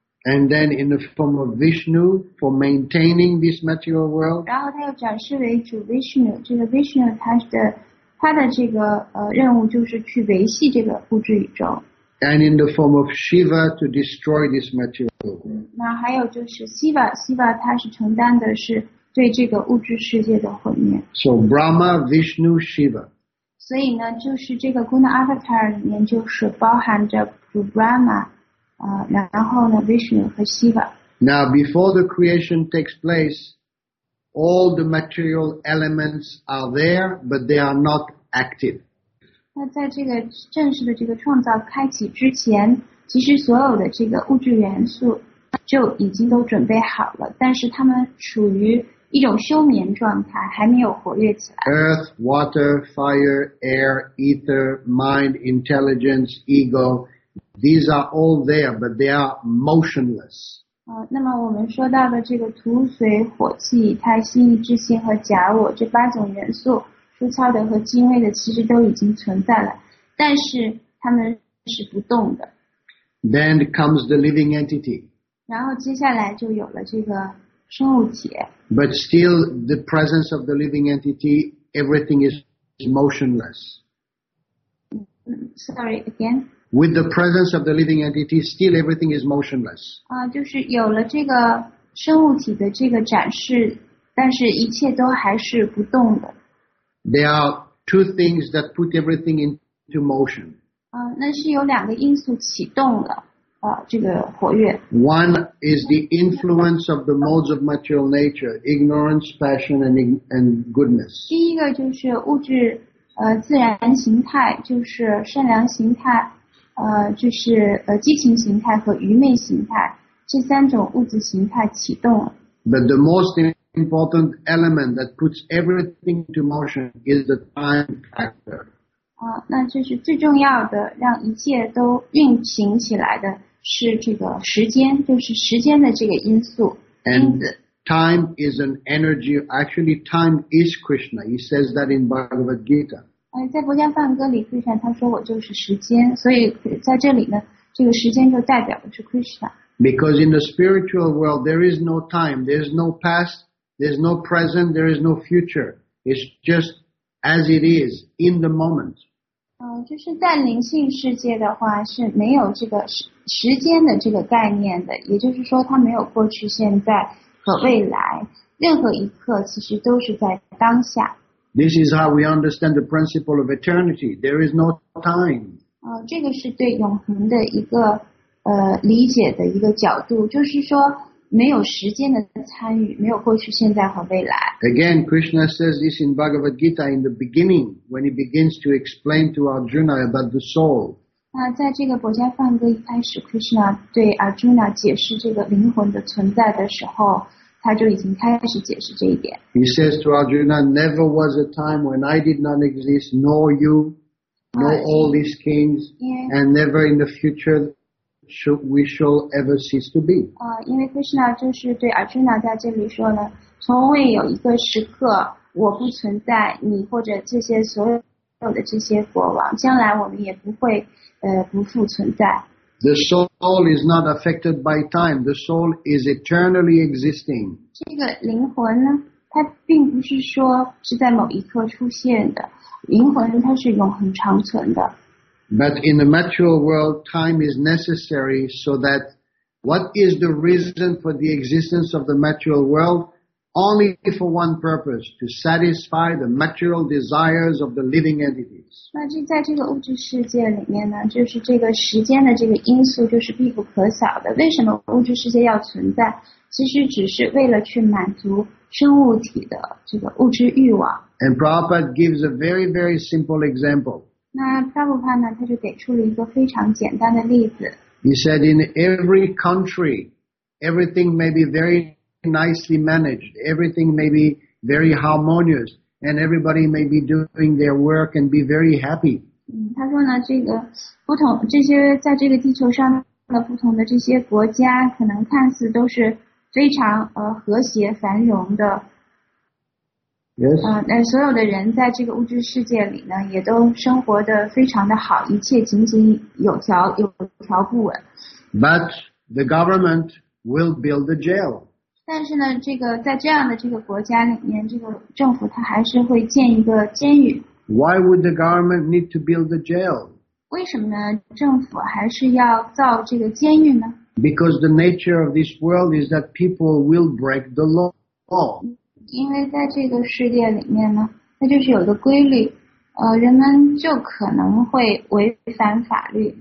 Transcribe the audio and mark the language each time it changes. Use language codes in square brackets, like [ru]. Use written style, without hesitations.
[en] And then in the form of Vishnu for maintaining this material world. [zh] 然后他又展示为主 Vishnu， 这个 Vishnu 他的这个任务就是去维系这个物质宇宙。 [en] And in the form of Shiva to destroy this material world. [zh] 那还有就是 Shiva 他是承担的是。对这个物质世界的毁灭。 [en] So Brahma, Vishnu, Shiva. [zh] 所以呢，就是这个 Guna Avatar 里面就是包含着主 Brahma， 然后呢 Vishnu 和 Shiva。 [en] Now before the creation takes place, all the material elements are there, but they are not active. [zh] 那在这个正式的这个创造开启之前，其实所有的这个物质元素就已经都准备好了，但是它们处于一种休眠状态，还没有活跃起来。 [en] Earth, water, fire, air, ether, mind, intelligence, ego, these are all there, but they are motionless. [zh] 那么我们说到的这个土、水、火、气、胎、心、意、志、心和假我这八种元素，粗糙的和精微的，其实都已经存在了，但是它们是不动的。 [en] Then comes the living entity. [zh] 然后接下来就有了这个。生物体。 [en] But still, the presence of the living entity, everything is motionless. Sorry, again. With the presence of the living entity, still everything is motionless. [zh] 就是有了这个生物体的这个展示，但是一切都还是不动的。 [en] There are two things that put everything into motion. [zh] 那是有两个因素启动了这个活跃。 [en] One is the influence of the modes of material nature, ignorance, passion, and goodness. [zh] 第一个就是物质自然形态，就是善良形态，就是激情形态和愚昧形态，这三种物质形态启动了。 [en] But the most important element that puts everything into motion is the time factor. [zh] 那就是最重要的，让一切都运行起来的是这个时间，就是时间的这个因素。 [en] And time is an energy. Actually, time is Krishna. He says that in Bhagavad Gita. [zh] 在《佛教梵歌》里，克里斯那他说我就是时间，所以在这里呢，这个时间就代表的是 Krishna。 [en] Because in the spiritual world, there is no time. There is no past. There is no present. There is no future. It's just as it is in the moment. [zh] 就是在灵性世界的话是没有这个时间的这个概念的。也就是说，它没有过去、现在和未来。任何一刻其实都是在当下。 [en] This is how we understand the principle of eternity. There is no time. [zh] 这个是对永恒的一个。理解的一个角度，就是说没有时间的参与，没有过去、现在和未来。 [en] Again, Krishna says this in Bhagavad Gita in the beginning when he begins to explain to Arjuna about the soul. [zh] 那在这个《佛家梵歌》一开始 ，Krishna 对 Arjuna 解释这个灵魂的存在的时候，他就已经开始解释这一点。 [en] He says to Arjuna, "Never was a time when I did not exist, nor you, nor all these kings, and never in the future." We shall ever cease to be. [zh] 因为 Krishna 就是对 Arjuna 在这里说呢，从未有一个时刻我不存在，你或者这些所有的这些国王，将来我们也不会不复存在。 [en] The soul is not affected by time. The soul is eternally existing. [zh] 这个灵魂呢，它并不是说是在某一刻出现的，灵魂它是永恒长存的。 [en] But in the material world, time is necessary so that what is the reason for the existence of the material world? Only for one purpose, to satisfy the material desires of the living entities. [zh] 那这在这个物质世界里面呢，就是这个时间的这个因素就是必不可少的。为什么物质世界要存在？其实只是为了去满足生物体的这个物质欲望。 [en] And Prabhupada gives a very, very simple example. [zh] 那萨布帕呢，他就给出了一个非常简单的例子。 [en] He said, in every country, everything may be very nicely managed, everything may be very harmonious, and everybody may be doing their work and be very happy. [zh] 他说呢，这个不同这些在这个地球上的不同的这些国家，可能看似都是非常和谐繁荣的。 [en] Yes. [zh] 所有的人在这个物质世界里呢，也都生活得非常的好，一切井井有条，有条不紊。 [en] But the government will build a jail. [zh] 但是呢，这个在这样的这个国家里面，这个政府它还是会建一个监狱。 [en] Why would the government need to build a jail? [zh] 为什么呢？政府还是要造这个监狱呢？ [en] Because the nature of this world is that people will break the law. [zh] 因为在这个世界里面呢，它就是有一个规律，人们就可能会违反法律。